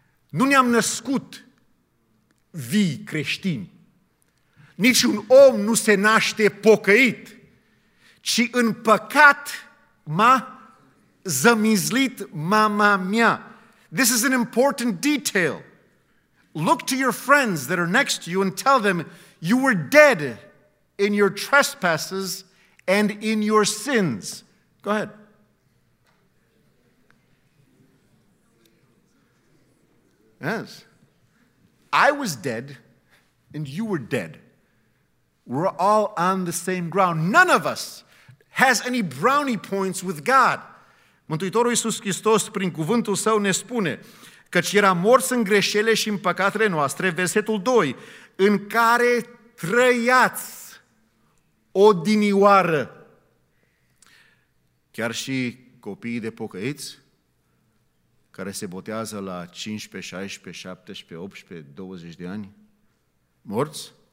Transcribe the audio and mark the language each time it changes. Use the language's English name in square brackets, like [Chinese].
[Romanian] Nu ne-am născut vii creștini. Niciun om nu se naște pocăit, ci în păcat m-a zămizlit mama mea. [English] This is an important detail. Look to your friends that are next to you and tell them you were dead in your trespasses and in your sins. Go ahead. Yes, I was dead and you were dead. We're all on the same ground. None of us has any brownie points with God. [Romanian] Mântuitorul Iisus Hristos, prin cuvântul său, ne spune: căci era morți în greșele și în păcatele noastre, versetul 2, în care trăiați odinioară. Chiar și copiii de pocăiți, care se botează la 15, 16, 17, 18, 20 de ani, morți?